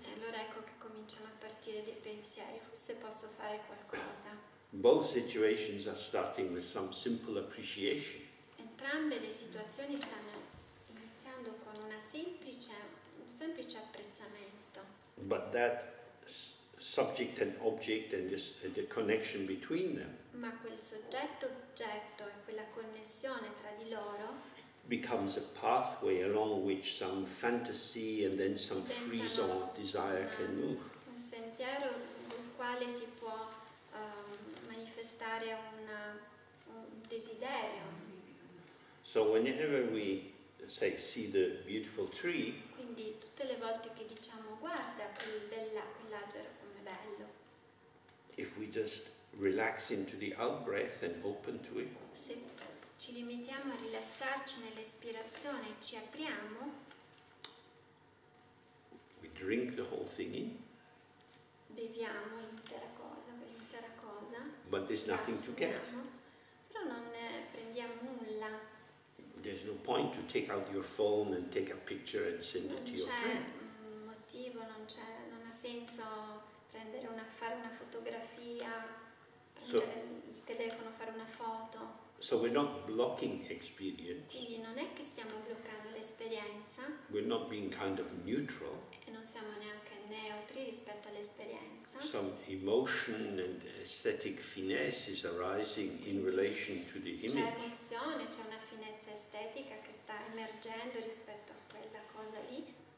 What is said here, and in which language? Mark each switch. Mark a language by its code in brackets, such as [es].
[it] E allora ecco che cominciano a partire dei pensieri. Forse posso fare qualcosa. [en] Both situations are starting with some simple appreciation. [it] Entrambe le situazioni stanno iniziando con un semplice apprezzamento. [en] But that subject and object and this the connection between them. [it] Ma quel soggetto oggetto e quella connessione tra di loro. [en] Becomes a pathway along which some fantasy and then some freeze of desire can move. [it] Un sentiero in quale si può manifestare un desiderio. [en] So whenever we say see the beautiful tree. [it] Quindi tutte le volte che diciamo guarda quell'albero come bello. [en] If we just relax into the out breath and open to it. [it] Ci limitiamo a rilassarci nell'espirazione, ci apriamo. [en] We drink the whole thing in. [it] Beviamo l'intera cosa. [en] but there's nothing to get. [it] Però non prendiamo nulla. [en] There's no point to take out your phone and take a picture and send [it] non [en] it to your friend. [it] Motivo, non c'è, non ha senso prendere una, fare una fotografia, prendere il telefono, fare una foto. [en] So we're not blocking experience. [it] Quindi non è che stiamo bloccando l'esperienza. [en] We're not being kind of neutral. [it] E non siamo neanche neutri rispetto all'esperienza. [en] Some emotion and aesthetic finesse is arising in relation to the image. [it] C'è emozione, c'è una finezza estetica che sta emergendo rispetto a quella cosa lì.